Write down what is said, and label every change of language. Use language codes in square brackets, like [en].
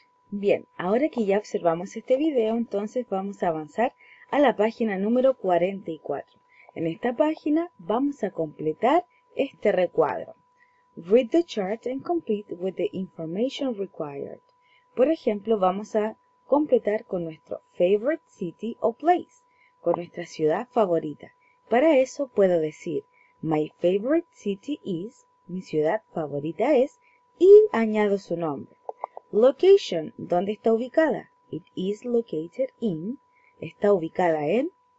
[es] Bien, ahora que ya observamos este video, entonces vamos a avanzar a la página número 44. En esta página vamos a completar este recuadro. [en] Read the chart and complete with the information required. [es] Por ejemplo, vamos a completar con nuestro favorite city or place, con nuestra ciudad favorita. Para eso puedo decir, [en] my favorite city is, [es] mi ciudad favorita es, y añado su nombre. Location, ¿dónde está ubicada? [en] It is located in, [es] está ubicada en.